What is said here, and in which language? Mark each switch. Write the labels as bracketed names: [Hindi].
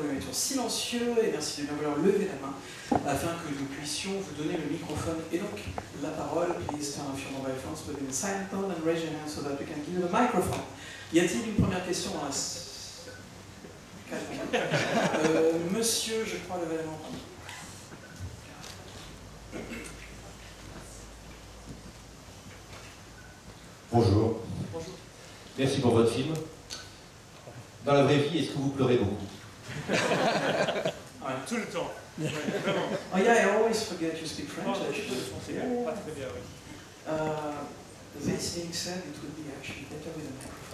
[French] Silencieux et merci de bien vouloir lever la main afin que nous puissions vous donner le microphone et donc la parole. [English] Please turn off your mobile phones, put in silent tone and raise your hand so that you can give the microphone. [French] Y a-t-il une première question à monsieur, je crois, lever la main. Bonjour. Merci pour votre film. Dans la vraie vie, est-ce que vous pleurez beaucoup? Ouais. Tout le temps. Ouais, vraiment. [English] Oh yeah, I always forget you speak French. [French] Oh, je pense que pas très bien, oui. [English] This being said, it would be actually better with a microphone.